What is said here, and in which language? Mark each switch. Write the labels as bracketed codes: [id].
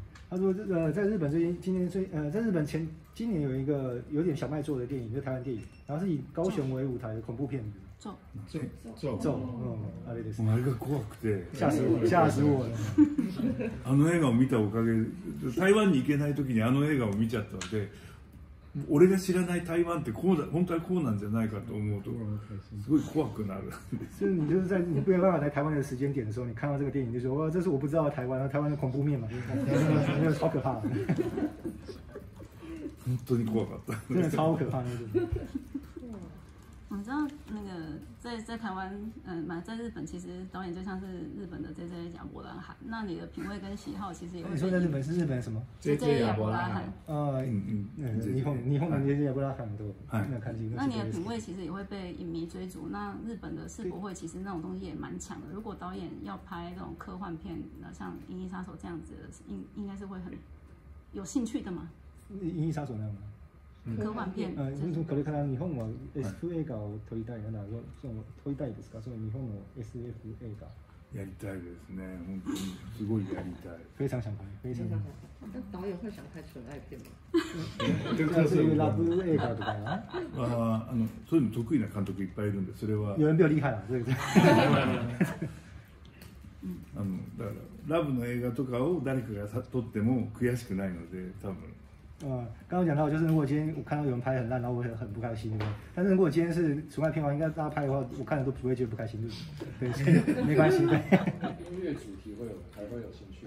[zh] 他说在日本最近在日本前今年有一个有点小卖座的电影，就是台湾电影，然后是以高雄为舞台的恐怖片子。 [ja] あれが怖くて [zh] 吓死我了 [ja] あの映画を見たおかげで台湾に行けない時にあの映画を見ちゃったので、俺が知らない台湾ってこうだ、本当はこうなんじゃないかと思うとすごい怖くなる。 [zh] 就是你就是在你没有办法来台湾的时间点的时候，你看到这个电影就说哇，这是我不知道台湾的恐怖面嘛，那个超可怕的。 [ja] 本当に怖かった。 [zh] 真的超可怕的。我知道那个在台湾，在日本，其实导演就像是日本的 JJ 亚伯拉罕。那你的品味跟喜好其实也会。你说在日本是日本什么？JJ 亚伯拉罕。日本的 JJ 亚伯拉罕都那看清。那你的品味其实也会被影迷追逐。那日本的世博会其实那种东西也蛮强的。如果导演要拍这种科幻片，像《银翼杀手》这样子的，应该是会很有兴趣的嘛？ 《银翼杀手》那样吗？科幻片。 [ja] これから日本は SF 映画を撮りたいなら、その撮りたいですか？その日本の SF 映画。やりたいですね。本当にすごいやりたい。 [zh] 非常想拍。非常。那导演会想拍纯爱片吗？就是 [ja] ラブ映画とか。そういうの得意な監督いっぱいいるんで、それは。 [zh] 有人比较厉害了，对不对？ [ja] だからラブの映画とかを誰かが撮っても悔しくないので、多分。 [zh] 刚刚讲到就是如果今天我看到有人拍很烂，然后我很不开心，对不对？但是如果今天是纯爱片的话，应该大家拍的话，我看了都不会觉得不开心，对不对？对，所以没关系。对，音乐主题会有，还会有兴趣。